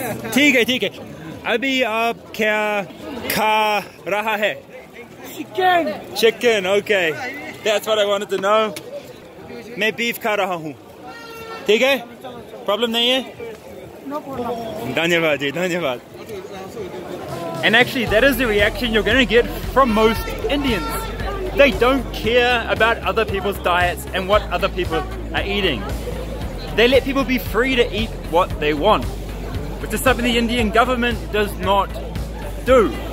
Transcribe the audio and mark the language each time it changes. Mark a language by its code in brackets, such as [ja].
[hi] ठीक है, अभी आप क्या खा रहा है? [en] Chicken. Chicken, okay. That's what I wanted to know. [hi] मैं बीफ़ खा रहा हु। ठीक है? प्रॉब्लम नहीं है? धन्यवाद जी, धन्यवाद। [en] And actually, that is the reaction you're going to get from most Indians. They don't care about other people's diets and what other people are eating. They let people be free to eat what they want, which is something the Indian government does not do.